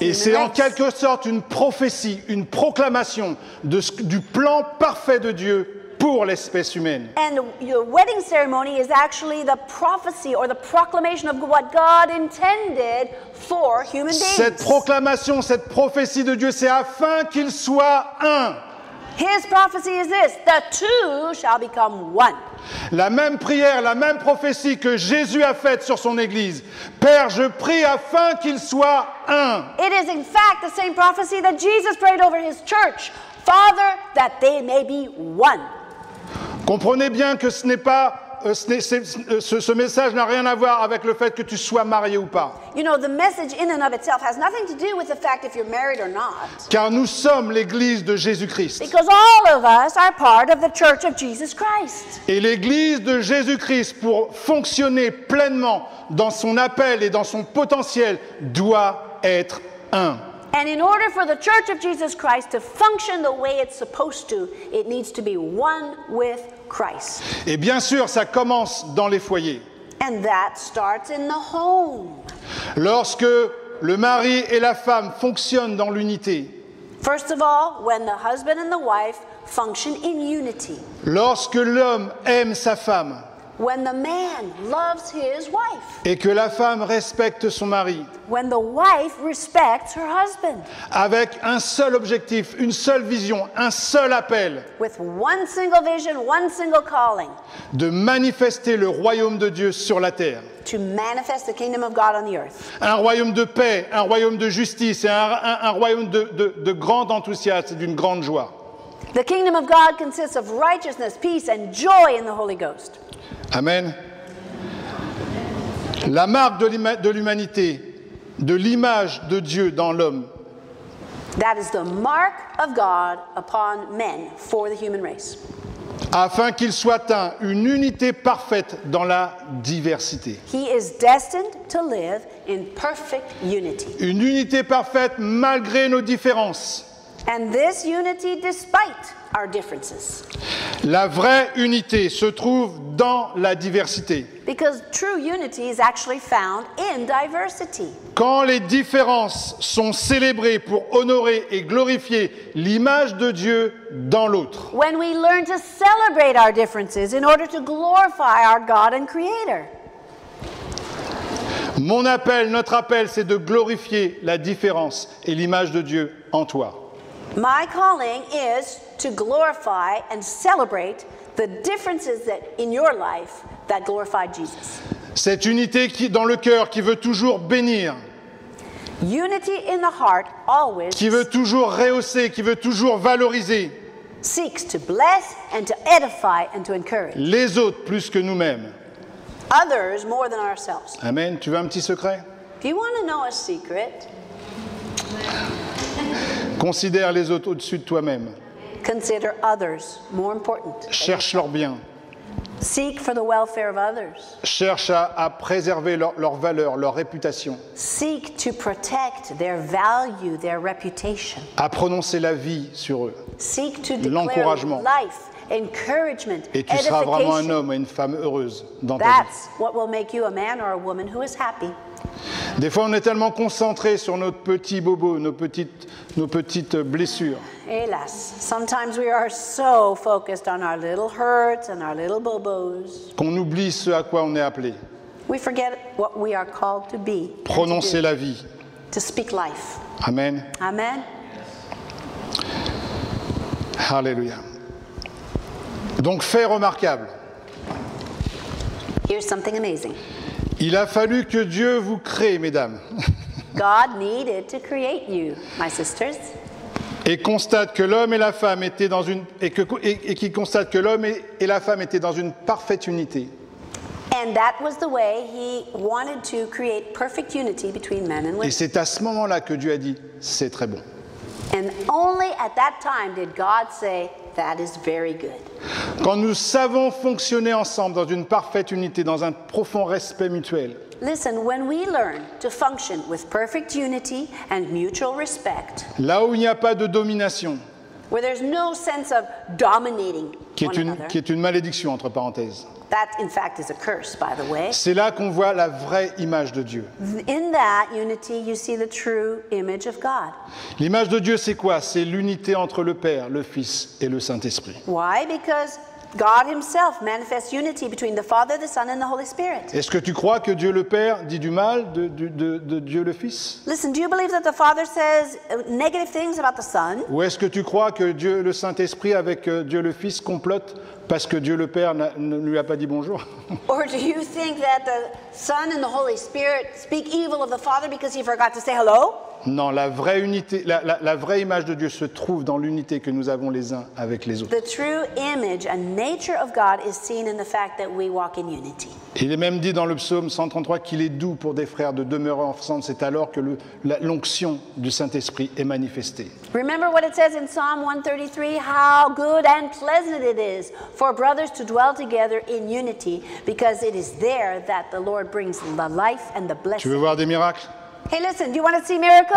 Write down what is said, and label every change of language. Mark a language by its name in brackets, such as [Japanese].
[French] Et c'est en quelque sorte une prophétie, une proclamation de du plan parfait de Dieu pour l'espèce humaine. [English] And your wedding ceremony is actually the prophecy or the proclamation of what God intended for human beings. [French] Cette proclamation, cette prophétie de Dieu, c'est afin qu'ils soient un. [English] His prophecy is this, the two shall become one. [French] La même prière, la même prophétie que Jésus a faite sur son église. Père, je prie afin qu'ils soient un. [English] It is in fact the same prophecy that Jesus prayed over his church. Father, that they may be one. [French] Comprenez bien que ce n'est pas ce message n'a rien à voir avec le fait que tu sois marié ou pas. [English] You know, the message in and of itself has nothing to do with the fact if you're married or not. [French] Car nous sommes l'église de Jésus-Christ. [English] Because all of us are part of the church of Jesus Christ. [French] Et l'église de Jésus-Christ pour fonctionner pleinement dans son appel et dans son potentiel doit être un. [English] And in order for the church of Jesus Christ to function the way it's supposed to, it needs to be one with Christ. [French] Et bien sûr, ça commence dans les foyers. [English] And that starts in the home. [French] Lorsque le mari et la femme fonctionnent dans l'unité. [English] First of all, when the husband and the wife function in unity. [French] Lorsque l'homme aime sa femme. [English] When the man loves his wife. [French] Et que la femme respecte son mari. [English] When the wife respects her husband. [French] Avec un seul objectif, une seule vision, un seul appel. [English] With one single vision, one single calling. [French] De manifester le royaume de Dieu sur la terre. [English] To manifest the kingdom of God on the earth. [French] Un royaume de paix, un royaume de justice et un royaume de grand enthousiasme et d'une grande joie. [English] The kingdom of God consists of righteousness, peace and joy in the Holy Ghost. [French] Amen. La marque de l'humanité, de l'image de Dieu dans l'homme. [English] That is the mark of God upon men for the human race. [French] Afin qu'il soit un, une unité parfaite dans la diversité. [English] He is destined to live in perfect unity. [French] Une unité parfaite malgré nos différences. [English] And this unity despite our differences. [French] La vraie unité se trouve dans la diversité. [English] Because true unity is actually found in diversity. [French] Quand les différences sont célébrées pour honorer et glorifier l'image de Dieu dans l'autre. [English] When we learn to celebrate our differences in order to glorify our God and Creator. [French] Mon appel, notre appel, c'est de glorifier la différence et l'image de Dieu en toi. [English] My calling is to glorify and celebrate the differences that in your life that glorify Jesus. [French] Cette unité qui dans le cœur qui veut toujours bénir. [English] Unity in the heart always. [French] Qui veut toujours rehausser, qui veut toujours valoriser. [English] Seeks to bless and to edify and to encourage. [French] Les autres plus que nous-mêmes. [English] Others more than ourselves. [French] Amen. Tu veux un petit secret? [English] Do you want to know a secret? [French] Considère les autres au-dessus de toi-même. [English] Consider others more important. [French] Cherche leur bien. [English] Seek for the welfare of others. [French] Cherche à préserver leur valeur, leur réputation. [English] Seek to protect their value, their reputation. [French] À prononcer la vie sur eux. [English] Seek to declare life, encouragement, [French] et tu seras vraiment un homme et une femme heureuse dans ta [English] That's [French] vie. [English] That's what will make you a man or a woman who is happy. [French] Des fois, on est tellement concentré sur notre petit bobo, nos petites blessures. [English] Hélas, sometimes we are so focused on our little hurts and our little bobos. [French] Qu'on oublie ce à quoi on est appelé. [English] We forget what we are called to be. [French] Prononcer la vie. [English] To speak life. [French] Amen. [English] Amen. [French] Hallelujah. Donc, fait remarquable. [English] Here's something amazing. [French] Il a fallu que Dieu vous crée, mesdames. [English] God needed to create you, my sisters. [French] Et constate que l'homme et la femme étaient dans une et qui constate que l'homme et la femme étaient dans une parfaite unité. [English] And that was the way he wanted to create perfect unity between men and women. [French] Et c'est à ce moment-là que Dieu a dit, c'est très bon. [English] And only at that time did God say, that is very good. [French] Quand nous savons fonctionner ensemble dans une parfaite unité, dans un profond respect mutuel. [English] Listen, when we learn to function with perfect unity and mutual respect. [French] Là où il n'y a pas de domination. [English] Where there's no sense of dominating one another. [French] Qui est une malédiction entre parenthèses. [English] That in fact is a curse, by the way. [French] C'est là qu'on voit la vraie image de Dieu. [English] In that unity, you see the true image of God. [French] L'image de Dieu, c'est quoi? C'est l'unité entre le Père, le Fils et le Saint-Esprit. [English] Why? Because God himself manifests unity between the Father, the Son, and the Holy Spirit. [French] Est-ce que tu crois que Dieu le Père dit du mal de Dieu le Fils? [English] Listen, do you believe that the Father says negative things about the Son? [French] Ou est-ce que tu crois que Dieu le Saint-Esprit avec Dieu le Fils complote parce que Dieu le Père ne lui a pas dit bonjour? [English] Or do you think that the Son and the Holy Spirit speak evil of the Father because he forgot to say hello? [French] Non, la vraie unité, la vraie image de Dieu se trouve dans l'unité que nous avons les uns avec les autres. [English] The true image and nature of God is seen in the fact that we walk in unity. [French] Il est même dit dans le psaume 133 qu'il est doux pour des frères de demeurer ensemble. C'est alors que l'onction du Saint-Esprit est manifestée. [English] Remember what it says in Psalm 133, how good and pleasant it is for brothers to dwell together in unity, because it is there that the Lord brings the life and the blessing. [French] Tu veux voir des miracles? [English] Hey, listen, do you want to see miracles?